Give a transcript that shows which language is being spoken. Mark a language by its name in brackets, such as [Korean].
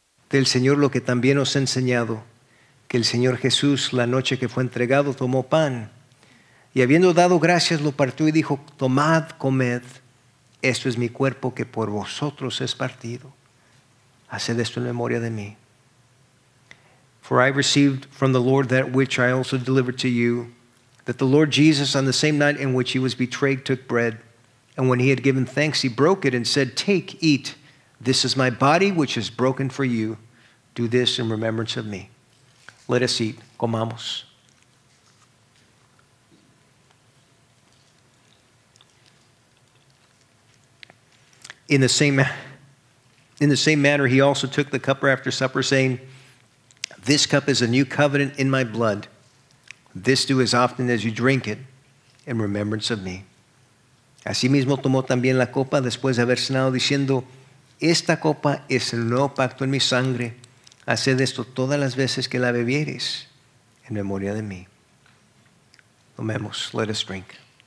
[Spanish] del Señor lo que también os he enseñado, que el Señor Jesús, la noche que fue entregado, tomó pan, y habiendo dado gracias, lo partió y dijo: tomad, comed, esto es mi cuerpo que por vosotros es partido. Haced esto en memoria de mí. [English] For I received from the Lord that which I also delivered to you, that the Lord Jesus, on the same night in which he was betrayed, took bread. And when he had given thanks, he broke it and said, take, eat. This is my body, which is broken for you. Do this in remembrance of me. Let us eat. [Spanish] Comamos. [English] In the same manner, he also took the cup after supper, saying, this cup is a new covenant in my blood. This do as often as you drink it in remembrance of me. [Spanish] Asimismo tomó también la copa después de haber cenado, diciendo, esta copa es el nuevo pacto en mi sangre. Haced esto todas las veces que la bebieres en memoria de mí. Tomemos. [English] Let us drink.